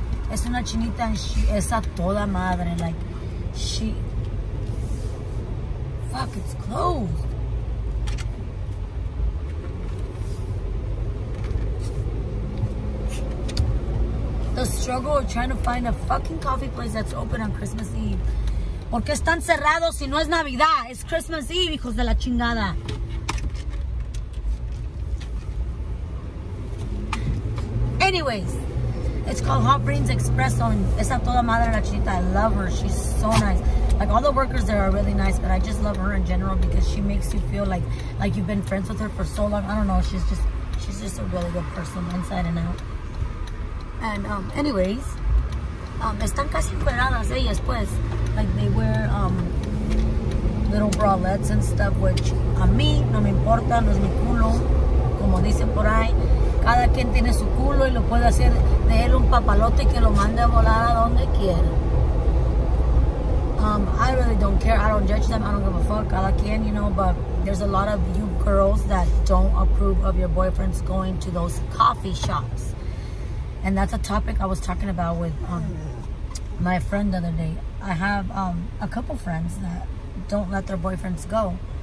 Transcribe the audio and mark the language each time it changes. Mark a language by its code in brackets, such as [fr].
[en] As soon as she meets that, she's [es] a toda madre. [en] Like, she, fuck, it's closed. The struggle of trying to find a fucking coffee place that's open on Christmas Eve. [es] ¿Por qué están cerrados si no es Navidad? [en] It's Christmas Eve, [es] hijos de la chingada. [en] Anyways, it's called Hot Brains Espresso. [es] Esa toda madre la chita. [en] I love her. She's so nice. Like, all the workers there are really nice, but I just love her in general because she makes you feel like you've been friends with her for so long. I don't know. She's just, She's just a really good person inside and out. [es] And anyways, están casi encueradas ellas, pues. [en] Like, they wear little bralettes and stuff, which [es] a mí no me importa, no es mi culo. Como dicen por ahí, cada quien tiene su culo y lo puede hacer de él un papalote que lo mande a volar a donde quiera. [en] I really don't care. I don't judge them. I don't give a fuck. [es] Cada quien, [en] you know, but there's a lot of you girls that don't approve of your boyfriends going to those coffee shops. And that's a topic I was talking about with my friend the other day. I have a couple friends that don't let their boyfriends go.